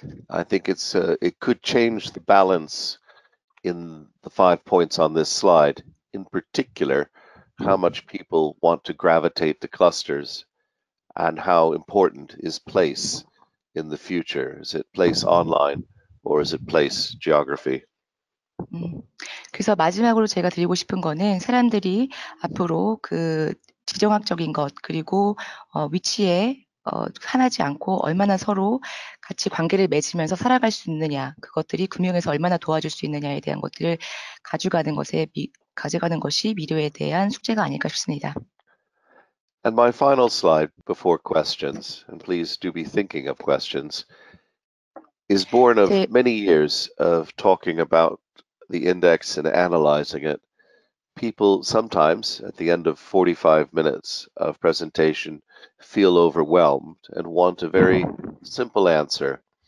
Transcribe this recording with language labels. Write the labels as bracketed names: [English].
[English] I think it could change the balance in the five points on this slide. In particular, how much people want to gravitate to clusters and how important is place in the future? Is it place online or is it place geography? [Korean] 그래서 마지막으로 제가 드리고 싶은 거는 사람들이 앞으로 그 지정학적인 것 그리고 위치에 하나지 않고 얼마나 서로 같이 관계를 맺으면서 살아갈 수 있느냐 그것들이 금융에서 얼마나 도와줄 수 있느냐에 대한 것들을 가져가는 것이 미래에 대한 숙제가 아닐까 싶습니다. [English] And my final slide before questions, and please do be thinking of questions, is born of many years of talking about the index and analyzing it. People sometimes, at the end of 45 minutes of presentation, feel overwhelmed and want a very simple answer.